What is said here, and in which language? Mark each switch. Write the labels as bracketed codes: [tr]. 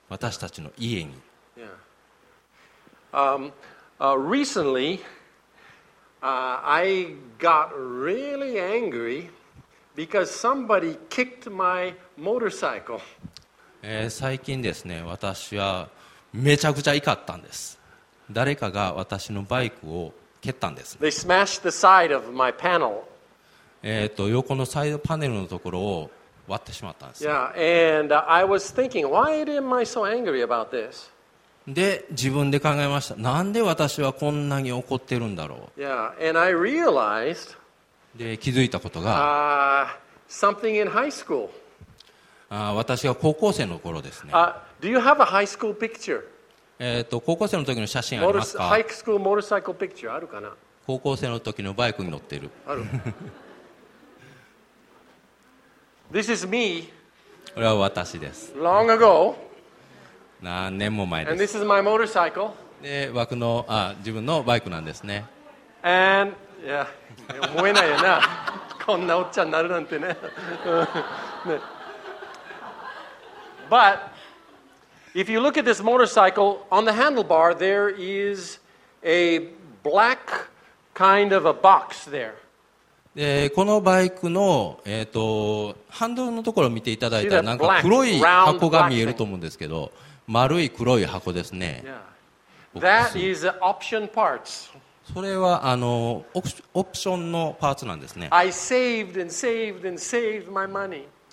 [ja] 私たちの家に。 [en] Recently, I got really angry Because somebody kicked my motorcycle. [ja] 最近ですね、私はめちゃくちゃ怒ったんです。誰かが私のバイクを蹴ったんです。 [en] They smashed the side of my panel. [ja] 横のサイドパネルのところを割ってしまったんです。 [en] Yeah, and I was thinking, why am I so angry about this? [ja] で自分で考えました。なんで私はこんなに怒ってるんだろう。 [en] yeah, and I realized, [ja] で気づいたことが、 [en] something in high school. [ja] 私が高校生の頃ですね、 [en] do you have a high school picture? [ja] 高校生の時の写真ありますか。 [en] High school motorcycle picture [ja] あるかな。高校生の時のバイクに乗ってる。ある。 [en] This is me. [ja] これは私です。 [en] Long ago. [ja] 何年も前です。 [en] And this is my motorcycle. [ja] で僕の自分のバイクなんですね。 And, yeah, 思えないよな。こんなおっちゃんになるなんてね。ね。 [en] But if you look at this motorcycle, on the handlebar there is a black kind of a box there. [ja] でこのバイクの、ハンドルのところを見ていただいたらなんか黒い箱が見えると思うんですけど、丸い黒い箱ですね。 [en] That is option parts. [ja] それはオプションのパーツなんですね。 [en] I saved and saved and saved my money.